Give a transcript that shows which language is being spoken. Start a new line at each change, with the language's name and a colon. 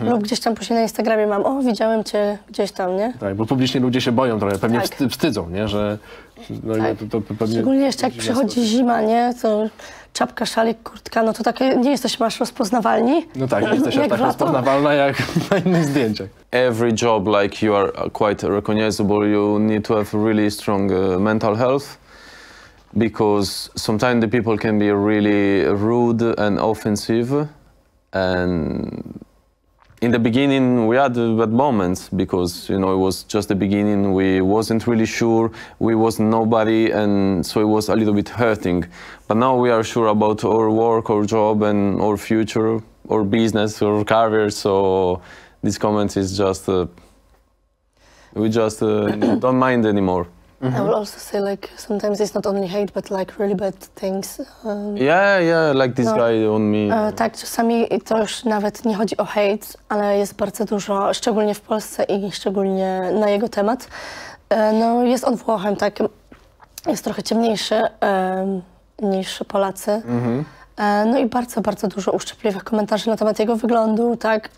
Polish: Lub gdzieś tam później na Instagramie mam, o, widziałem cię gdzieś tam, nie? Tak, bo publicznie ludzie się boją trochę, pewnie wstydzą, nie? Że, no, to pewnie szczególnie jeszcze jak przychodzi zima, nie? To czapka, szalik, kurtka, no to takie nie jesteś masz rozpoznawalni. No tak, nie jesteś tak rozpoznawalna jak na innych zdjęciach.
English: Every job, like you are quite recognizable, you need to have really strong mental health. Because sometimes the people can be really rude and offensive. And in the beginning we had bad moments because, you know, it was just the beginning. We wasn't really sure. We was nobody. And so it was a little bit hurting. But now we are sure about our work, our job and our future, our business, our career. So this comment is just, we just don't mind anymore. I will also say, like, sometimes it's not only hate, but like really bad things. Yeah, like this guy on me.
Polish: Tak, czasami to już nawet nie chodzi o hate, ale jest bardzo dużo, szczególnie w Polsce i szczególnie na jego temat. No, jest on Włochem, tak? Jest trochę ciemniejszy niż Polacy. No i bardzo, bardzo dużo uszczypliwych komentarzy na temat jego wyglądu, tak?